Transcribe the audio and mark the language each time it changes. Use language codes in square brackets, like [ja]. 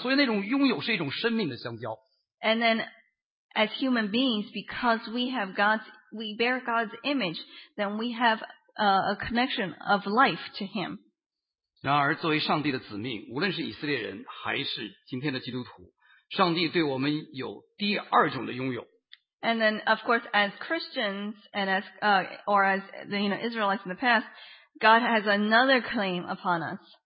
[zh] 但人更特别，因为人有上帝的形象，所以那种拥有是一种生命的相交。 [en] And then, as human beings, because we bear God's image, then we have a connection of life to him. [zh] 然而，作为上帝的子民，无论是以色列人还是今天的基督徒，上帝对我们有第二种的拥有。 [en] And then, of course, as Christians and as Israelites in the past, God has another claim upon us.